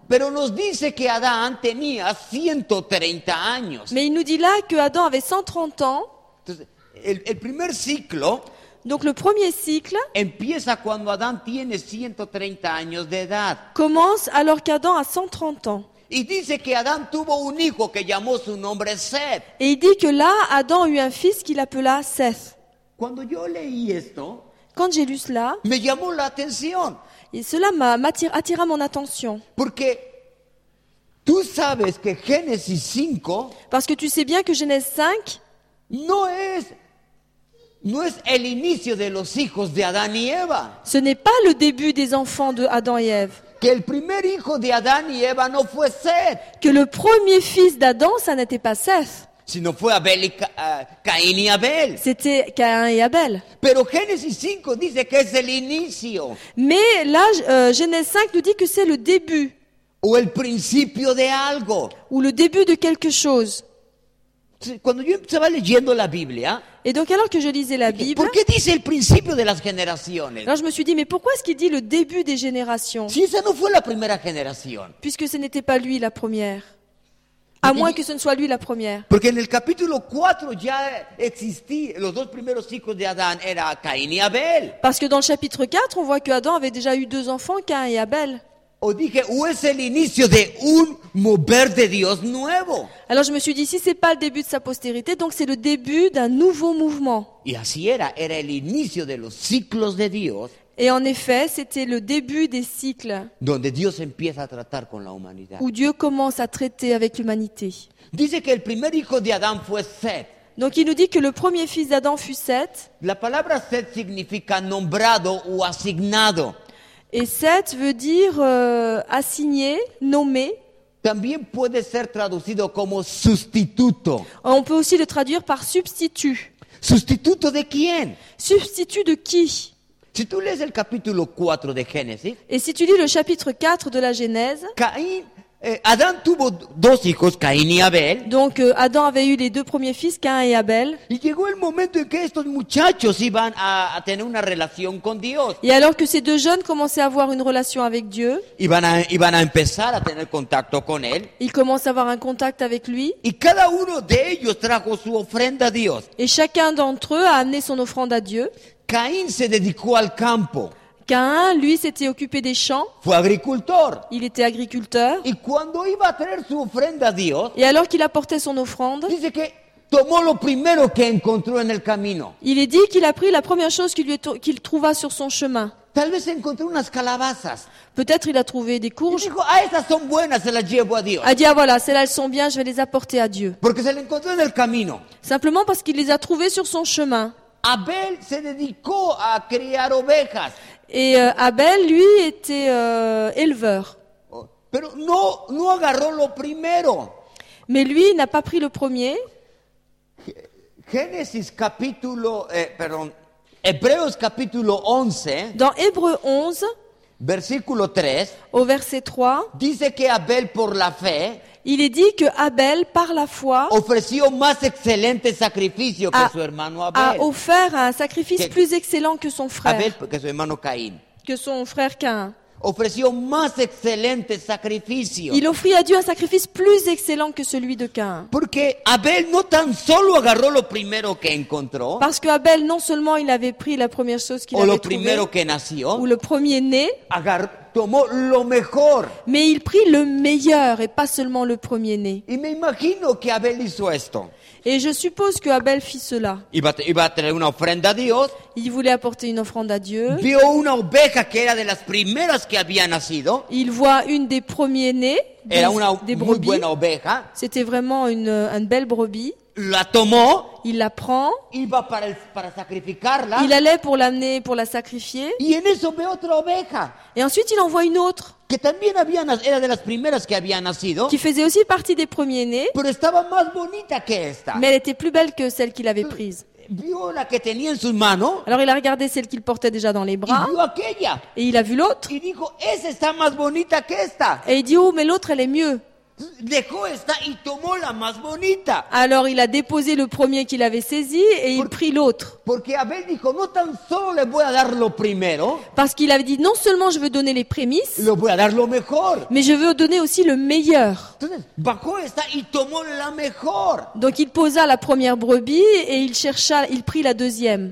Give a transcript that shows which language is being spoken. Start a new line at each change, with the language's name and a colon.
Spanish: Pero nos dice que Adán tenía 130 años.
French: Mais il nous dit là que Adam avait 130 ans.
Spanish: Entonces, el primer ciclo.
French: Donc le premier cycle
Spanish: empieza cuando Adán tiene 130 años de edad.
French: Commence alors qu'Adam a 130 ans.
Spanish: Y dice que Adán tuvo un hijo que llamó su nombre Seth.
French: Et il dit que là Adam a eu un fils qu'il appela Seth.
Spanish: Cuando yo leí esto,
French: quand j'ai lu cela,
Spanish: me llamó la atención.
French: Et cela m'attira mon attention.
Spanish: Porque tú sabes que Génesis 5,
French: parce que tu sais bien que Genèse 5
Spanish: no es el inicio de los hijos de Adán y Eva.
French: Ce n'est pas le début des enfants de Adam et Ève.
Spanish: Que el primer hijo de Adán y Eva no fue Seth.
French: Que le premier fils d'Adam, ça n'était pas Seth.
Spanish: Sino fue Abel y Caín y Abel.
French: C'était Caïn et Abel.
Spanish: Pero Génesis 5 dice que es el inicio.
French: Mais là, Genèse 5 nous dit que c'est le début.
Spanish: O el principio de algo.
French: Ou le début de quelque chose.
Spanish: Cuando yo estaba leyendo la Biblia.
French: Et donc alors que je lisais la Bible.
Spanish: ¿Por qué dice el principio de las generaciones?
French: Alors je me suis dit, mais pourquoi est-ce qu'il dit le début des générations?
Spanish: Si esa no fue la primera generación.
French: Puisque ce n'était pas lui la première. À moins que ce ne soit lui la première.
Spanish: Porque en el capítulo 4 ya existía, los dos primeros hijos de Adán eran Caín y Abel.
French: Parce que dans le chapitre 4, on voit que Adam avait déjà eu deux enfants, Caïn et Abel.
Spanish: O dije, ¿o es el inicio de un mover de Dios nuevo?
French: Alors je me suis dit, si c'est pas le début de sa postérité, donc c'est le début d'un nouveau mouvement.
Spanish: Y así era el inicio de los ciclos de Dios.
French: Et en effet, c'était le début des cycles.
Spanish: Donde Dios empieza a tratar con la humanidad.
French: Où Dieu commence à traiter avec l'humanité.
Spanish: Dice que el primer hijo de Adán fue Seth.
French: Donc il nous dit que le premier fils d'Adam fut Seth.
Spanish: La palabra Seth significa nombrado o asignado.
French: Et Seth veut dire assigné, nommé.
Spanish: También puede ser traducido como sustituto.
French: On peut aussi le traduire par substitut.
Spanish: Sustituto de quién?
French: Substitut de qui?
Spanish: Si tú lees el capítulo 4 de Génesis.
French: Et si tu lis le chapitre 4 de la Genèse.
Spanish: Caín, Adán tuvo dos hijos, Caín y Abel.
French: Donc Adam avait eu les deux premiers fils, Caín et Abel.
Spanish: Y llegó el momento en que estos muchachos iban a tener una relación con Dios.
French: Et alors que ces deux jeunes commençaient à avoir une relation avec Dieu.
Spanish: Iban a empezar a tener contacto con él.
French: Ils commencent à avoir un contact avec lui.
Spanish: Y cada uno de ellos trajo su ofrenda a Dios.
French: Et chacun d'entre eux a amené son offrande à Dieu.
Spanish: Caín se dedicó al campo.
French: Caïn, lui, s'était occupé des champs.
Spanish: Fue agricultor.
French: Il était agriculteur.
Spanish: Y cuando iba a traer su ofrenda a Dios,
French: et alors qu'il apportait son offrande,
Spanish: dice que tomó lo primero que encontró en el camino.
French: Il est dit qu'il a pris la première chose qu'il trouva sur son chemin.
Spanish: Tal vez encontró unas calabazas.
French: Peut-être il a trouvé des courges.
Spanish: Y dijo, ah, esas son buenas, se las llevo a Dios.
French: A dit, ah, voilà, celles-là, elles sont bien, je vais les apporter à Dieu.
Spanish: Porque se las encontró en el camino.
French: Simplement parce qu'il les a trouvées sur son chemin.
Spanish: Abel se dedicó a criar ovejas.
French: Et Abel, lui, était éleveur.
Spanish: Pero no agarró lo primero.
French: Mais lui, il n'a pas pris le premier.
Spanish: Génesis capítulo, Hebreos capítulo 11.
French: Dans Hébreux 11,
Spanish: versículo 3,
French: au verset 3,
Spanish: dice que Abel por la fe.
French: Il est dit que Abel, par la foi,
Spanish: ofreció más excelente sacrificio que su hermano Abel.
French: A offert un sacrifice plus excellent que son frère.
Spanish: Abel, que su hermano Caín.
French: Que son frère Caïn.
Spanish: Ofreció más excelente sacrificio.
French: Il offrit à Dieu un sacrifice plus excellent que celui de Caïn.
Spanish: Porque Abel no tan solo agarró lo primero que encontró.
French: Parce que Abel, non seulement il avait pris la première chose qu'il avait trouvée.
Spanish: O lo primero que nació.
French: Ou le premier né.
Spanish: Tomó lo mejor.
French: Mais il prit le meilleur et pas seulement le premier né.
Spanish: Y me imagino que Abel hizo esto.
French: Et je suppose que Abel fit cela.
Spanish: Iba a traer una ofrenda a Dios.
French: Il voulait apporter une offrande à Dieu.
Spanish: Vio una oveja que era de las primeras que había nacido.
French: Il voit une des premiers nés.
Spanish: Era una muy buena oveja.
French: C'était vraiment une belle brebis.
Spanish: La tomó.
French: Il la prend.
Spanish: Iba para sacrificarla.
French: Il allait pour l'amener, pour la sacrifier.
Spanish: Y en eso ve otra oveja.
French: Et ensuite, il en voit une autre.
Spanish: Que también había, era de las primeras que había nacido.
French: Qui faisait aussi partie des premiers nés.
Spanish: Pero estaba más bonita que esta.
French: Mais elle était plus belle que celle qu'il avait prise.
Spanish: vio la que tenía en sus manos.
French: Alors il a regardé celle qu'il portait déjà dans les bras.
Spanish: Y vio aquella.
French: Et il a vu l'autre.
Spanish: Y dijo, esa está más bonita que esta.
French: Et il dit, oh, mais l'autre, elle est mieux.
Spanish: Dejó esta y tomó la más bonita.
French: Alors il a déposé le premier qu'il avait saisi et
Spanish: porque,
French: il prit l'autre.
Spanish: Porque Abel dijo, no tan solo le voy a dar lo primero.
French: Parce qu'il avait dit, non seulement je veux donner les prémices,
Spanish: le voy a dar lo mejor.
French: Mais je veux donner aussi le meilleur.
Spanish: Entonces, bajó esta y tomó la mejor.
French: Donc il posa la première brebis et il chercha, il prit la deuxième.